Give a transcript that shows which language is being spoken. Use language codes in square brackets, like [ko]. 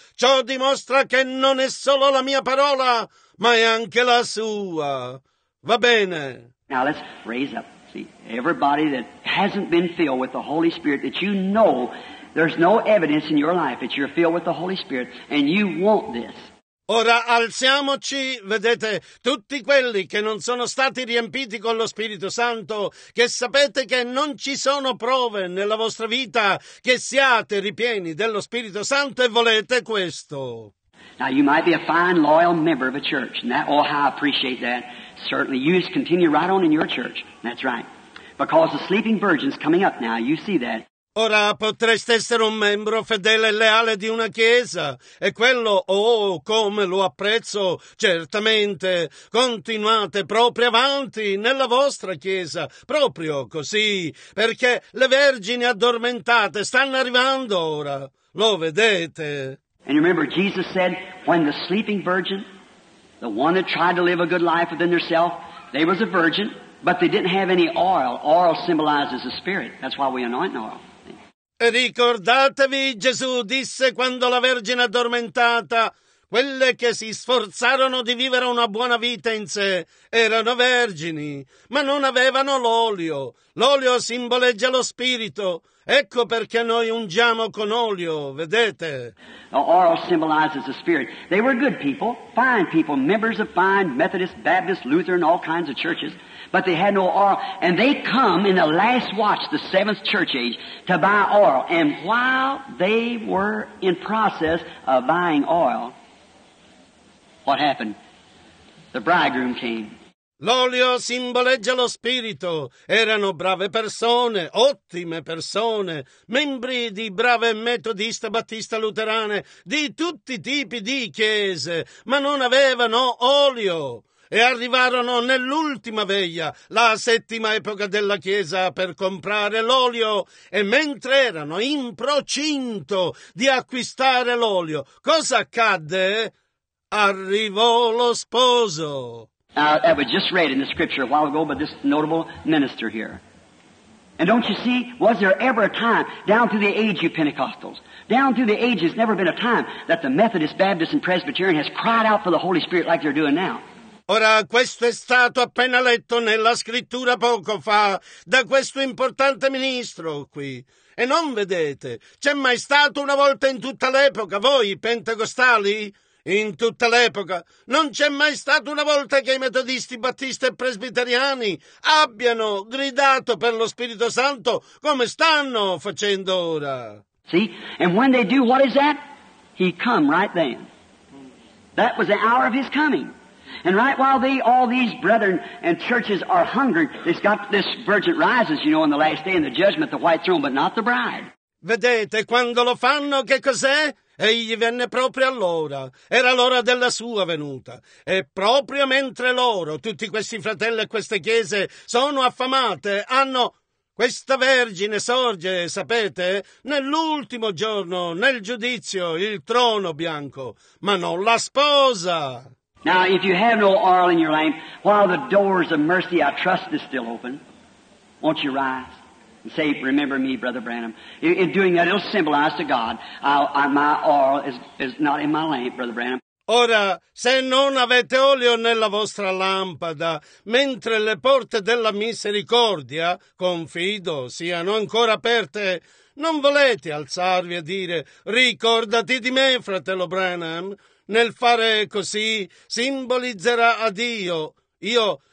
[it] Ciò dimostra che non è solo la mia parola, ma è anche la sua. Va bene. [en] Now let's raise up. See, everybody that hasn't been filled with the Holy Spirit that you know. There's no evidence in your life that you're filled with the Holy Spirit and you want this. [it] Ora alziamoci, vedete, tutti quelli che non sono stati riempiti con lo Spirito Santo, che sapete che non ci sono prove nella vostra vita che siate ripieni dello Spirito Santo e volete questo. [en] Now you might be a fine, loyal member of a church, and that, oh, how I appreciate that. Certainly, you just continue right on in your church. That's right. Because the sleeping virgin's coming up now, you see that. [it] Ora potreste essere un membro fedele e leale di una chiesa, e quello, oh, come lo apprezzo, certamente, continuate proprio avanti nella vostra chiesa, proprio così, perché le vergini addormentate stanno arrivando ora, lo vedete. [en] And remember, Jesus said, when the sleeping virgin, the one that tried to live a good life within herself, they was a virgin, but they didn't have any oil. Oil symbolizes the spirit, that's why we anoint oil. [it] E ricordatevi, Gesù disse quando la Vergine addormentata, quelle che si sforzarono di vivere una buona vita in sé, erano vergini, ma non avevano l'olio. L'olio simboleggia lo Spirito. Ecco perché noi ungiamo con olio, vedete? [en] Oil symbolizes the spirit. They were good people, fine people, members of fine Methodist, Baptist, Lutheran, all kinds of churches. But they had no oil. And they come in the last watch, the seventh church age, to buy oil. And while they were in process of buying oil, what happened? The bridegroom came. [it] L'olio simboleggia lo spirito. Erano brave persone, ottime persone, membri di brave metodista, battista, luterane, di tutti i tipi di chiese, ma non avevano olio. E arrivarono nell'ultima veglia, la settima epoca della Chiesa, per comprare l'olio. E mentre erano in procinto di acquistare l'olio, cosa accadde? Arrivò lo sposo. [en] That was just read in the scripture a while ago by this notable minister here. And don't you see, was there ever a time, down through the age of Pentecostals, down through the age, there's never been a time that the Methodist, Baptist, and Presbyterian has cried out for the Holy Spirit like they're doing now. [it] Ora, questo è stato appena letto nella scrittura poco fa da questo importante ministro qui. E non vedete, c'è mai stato una volta in tutta l'epoca, voi pentecostali? In tutta l'epoca non c'è mai stato una volta che i metodisti, battisti e presbiteriani abbiano gridato per lo Spirito Santo come stanno facendo ora. [en] See? And when they do, what is that? He come right then. That was the hour of his coming. And right while they, all these brethren and churches are hungry, they've got this virgin rises, you know, on the last day in the judgment, the white throne, but not the bride. [it] Vedete, quando lo fanno, che cos'è? Egli venne proprio allora, era l'ora della sua venuta. E proprio mentre loro, tutti questi fratelli e queste chiese, sono affamate, hanno... Questa Vergine sorge, sapete, nell'ultimo giorno, nel giudizio, il trono bianco, ma non la sposa. [en] Now, if you have no oil in your lamp, while the doors of mercy, I trust, is still open, won't you rise? And say, remember me, Brother Branham. In doing that, it'll symbolize to God, my oil is not in my lamp, Brother Branham. [it] Ora, se non avete olio nella vostra lampada, mentre le porte della misericordia, confido, siano ancora aperte, non volete alzarvi e dire, ricordati di me, fratello Branham. Nel fare così, simbolizzerà a Dio, io...